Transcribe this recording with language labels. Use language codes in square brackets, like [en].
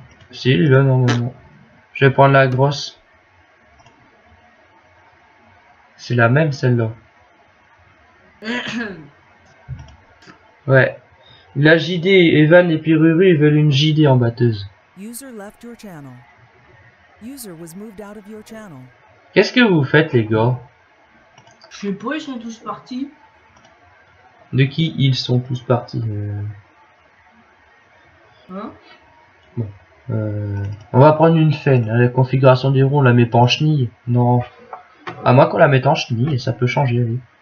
[fr] Si, il est là normalement. Je vais prendre la grosse. C'est la même celle-là. Ouais. La JD, Evan et Piruru, ils veulent une JD en batteuse. [en] User left your channel. User was moved out of your channel. [fr] Qu'est-ce que vous faites, les gars? Je sais pas, ils sont tous partis. De qui ils sont tous partis? Hein? Bon. On va prendre une Fen. La configuration des roues, on la met pas en chenille. Non. À moins qu'on la mette en chenille, et ça peut changer, oui.